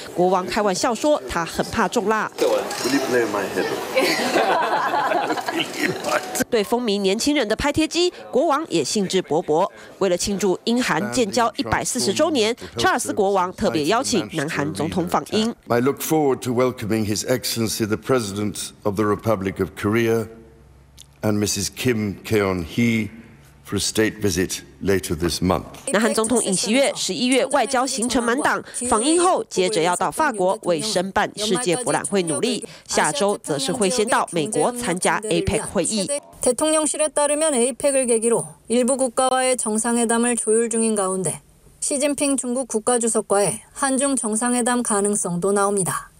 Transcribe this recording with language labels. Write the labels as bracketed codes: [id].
[zh] 国王开玩笑说，他很怕重辣。对风靡年轻人的拍贴机，国王也兴致勃勃。为了庆祝英韩建交140周年，查尔斯国王特别邀请南韩总统访英。 [en] I look forward to welcoming His Excellency the President of the Republic of Korea and Mrs. Kim Kyeon-hee for a state visit later this month. [zh] 南韩总统尹锡悦11月外交行程满档，访英后接着要到法国为申办世界博览会努力，下周则是会先到美国参加 APEC 会议。 [ko] 대통령실에따르면 APEC 을계기로일부국가와의정상회담을조율중인가운데시진핑중국국가주석과의한중정상회담가능성도나옵니다